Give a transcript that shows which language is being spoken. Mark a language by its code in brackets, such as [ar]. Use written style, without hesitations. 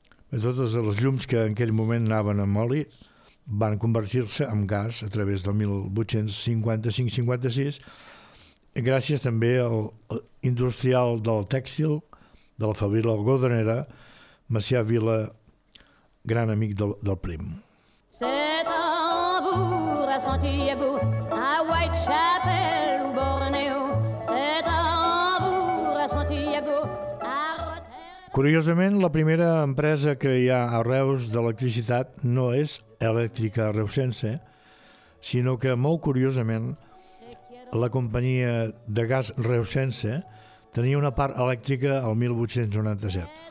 [ca] Totes les llums que en aquell moment anaven amb oli van convertir-se en gas a través del 1855-56, gràcies també al industrial del tèxtil de la Fabila Algodonera, Macià Vila, gran amic del Prim. [fr] C'est un bourg à Santiago, à Whitechapel ou Borneo. C'est un bourg à Santiago, à Rotterdam. [ca] Curiosament, la primera empresa que hi ha a Reus d'electricitat no és Elèctrica Reusense, sinó que, molt curiosament, la companyia de gas Reusense tenia una part elèctrica al 1897.